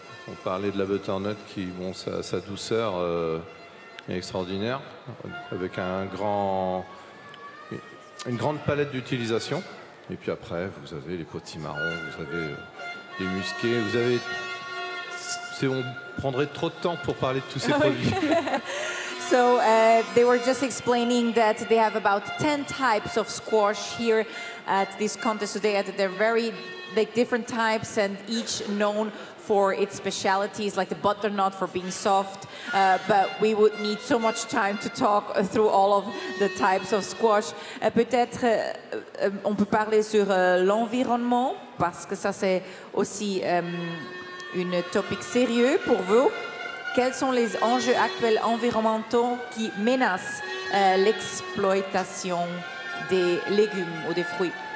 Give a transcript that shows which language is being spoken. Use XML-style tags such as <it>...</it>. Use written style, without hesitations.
<fr>On parlait de la butternut qui, bon, sa douceur est extraordinaire, avec une grande palette d'utilisation. Et puis après, vous avez les potimarrons, vous avez les musqués, vous avez... on prendrait trop de temps pour parler de tous ces produits.</fr> <en>So they were just explaining that they have about 10 types of squash here at this contest today. They're very like, different types and each known for its specialities, like the butternut for being soft, but we would need so much time to talk through all of the types of squash.</en> <fr>Peut-être on peut parler sur l'environnement, parce que ça c'est aussi une topic sérieux pour vous. Quels sont les enjeux actuels environnementaux qui menacent l'exploitation des légumes ou des fruits?</fr>